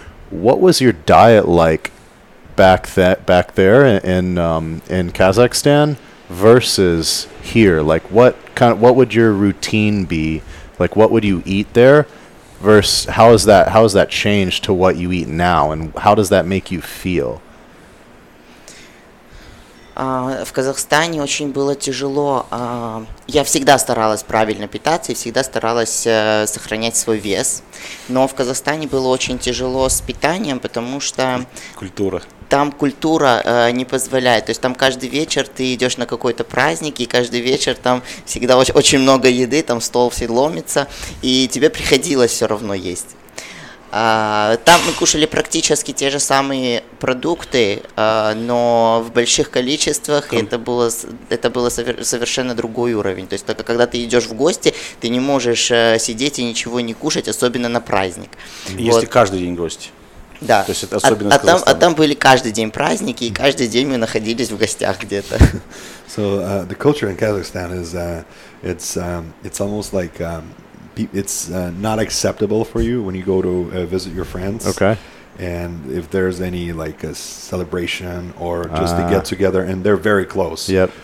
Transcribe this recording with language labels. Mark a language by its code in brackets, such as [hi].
[en] What was your diet like back there in Kazakhstan versus here? Like, what would your routine be? Like, what would you eat there versus how has that changed to what you eat now, and how does that make you feel? [ru] В Казахстане очень было тяжело. Я всегда старалась правильно питаться и всегда старалась сохранять свой вес. Но в Казахстане было очень тяжело с питанием, потому что... Культура. Там культура не позволяет. То есть там каждый вечер ты идешь на какой-то праздник, и каждый вечер там всегда очень много еды, там стол все ломится, и тебе приходилось все равно есть. Там мы кушали практически те же самые продукты, но в больших количествах, и это было совершенно другой уровень. То есть только когда ты идешь в гости, ты не можешь сидеть и ничего не кушать, особенно на праздник. Если вот. Каждый день гости. Да. То есть это особенно Казахстана. А там были каждый день праздники, и каждый день мы находились в гостях где-то. [en] So the culture in Kazakhstan is it's almost like it's not acceptable for you when you go to visit your friends. Okay. And if there's any like a celebration or just a get together, and they're very close. Yep.